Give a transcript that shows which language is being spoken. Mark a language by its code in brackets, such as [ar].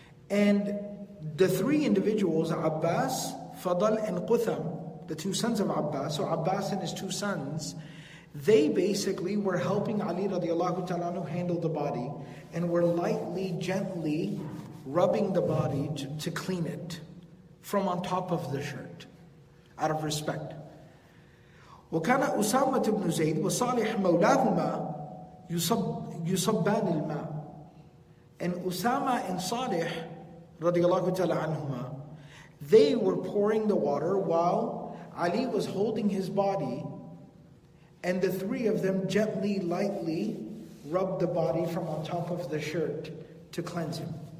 [en] And the three individuals, Abbas, Fadl and Qutham, the two sons of Abbas, so Abbas and his two sons, they basically were helping Ali radiallahu ta'ala anhu handle the body and were lightly, gently rubbing the body to clean it from on top of the shirt, out of respect. [ar] وكان أسامة بن زيد وصالح مولاهما يصبان الماء. [en] And Usama and Salih, radiallahu ta'ala anhuma, they were pouring the water while Ali was holding his body, and the three of them gently, lightly rubbed the body from on top of the shirt to cleanse him.